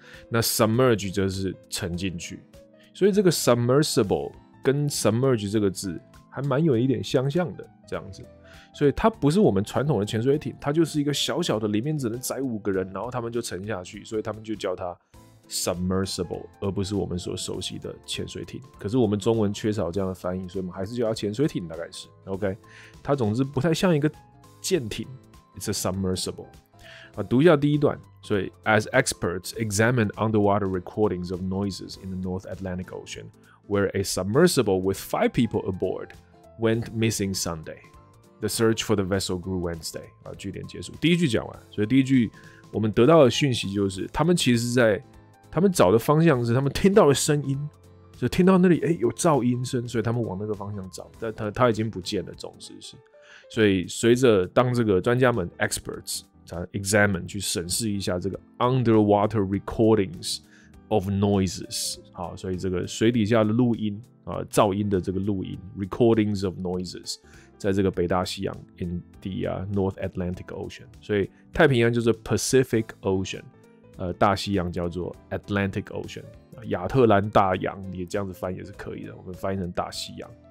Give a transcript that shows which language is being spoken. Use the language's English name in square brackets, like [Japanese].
[Chinese] 那 submerge 就是沉进去，所以这个 submersible 跟 submerge 这个字还蛮有一点相像的这样子，所以它不是我们传统的潜水艇，它就是一个小小的，里面只能载五个人，然后他们就沉下去，所以他们就叫它 submersible， 而不是我们所熟悉的潜水艇。可是我们中文缺少这样的翻译，所以我们还是叫它潜水艇，大概是 OK。它总之不太像一个舰艇 ， [English] it's a submersible。 [Chinese] 读一下第一段，所以 [English] As experts examined underwater recordings of noises in the North Atlantic Ocean, where a submersible with five people aboard went missing Sunday, the search for the vessel grew Wednesday. [Chinese] 句点结束，第一句讲完。所以第一句我们得到的讯息就是，他们其实在他们找的方向是他们听到了声音，就听到那里哎有噪音声，所以他们往那个方向找，但他已经不见了，总之是。所以随着当这个专家们 experts。examine 去审视一下这个 [English] underwater recordings of noises， [Chinese] 好，所以这个水底下的录音、噪音的这个录音 [English] recordings of noises， [Chinese] 在这个北大西洋 [English] in the、North Atlantic Ocean， [Chinese] 所以太平洋就是 Pacific Ocean， 大西洋叫做 Atlantic Ocean， 亚特兰大洋也这样子翻也是可以的，我们翻译成大西洋。